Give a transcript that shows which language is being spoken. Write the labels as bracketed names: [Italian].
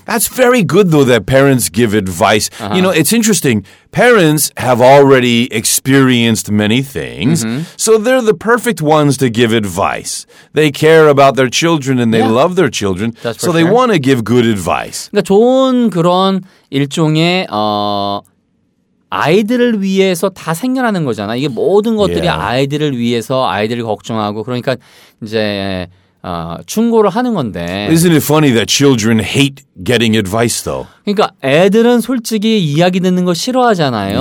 [English] That's very good, though, that parents give advice. Uh-huh. You know, it's interesting. Parents have already experienced many things, mm-hmm. so they're the perfect ones to give advice. They care about their children and they yeah. love their children, That's so they want to give good advice. [Korean] 그러니까 좋은 그런 일종의... 아이들을 위해서 다 생겨나는 거잖아. 이게 모든 것들이 [English] yeah. [Korean] 아이들을 위해서 아이들을 걱정하고 그러니까 이제 충고를 하는 건데. [English] Isn't it funny that children hate getting advice though? [Korean] 그러니까 애들은 솔직히 이야기 듣는 거 싫어하잖아요.